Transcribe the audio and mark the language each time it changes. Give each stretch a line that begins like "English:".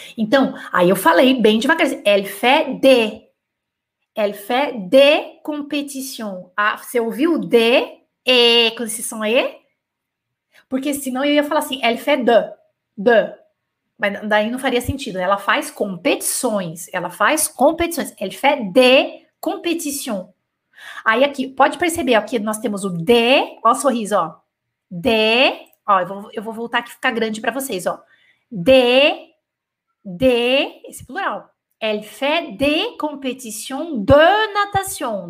Portuguese: Então, aí eu falei bem devagar.
French: Elle fait de competition.
Portuguese: Ah, você ouviu de? E com esse som aí? Porque senão eu ia falar assim,
French: elle fait de.
Portuguese: Mas daí não faria sentido. Ela faz competições. Ela faz competições.
French: Elle fait des compétitions.
Portuguese: Aí aqui, pode perceber, aqui nós temos o de, ó, sorriso, ó. De, ó, eu vou voltar aqui ficar grande para vocês, ó. De, esse plural.
French: Elle fait des compétitions de natation.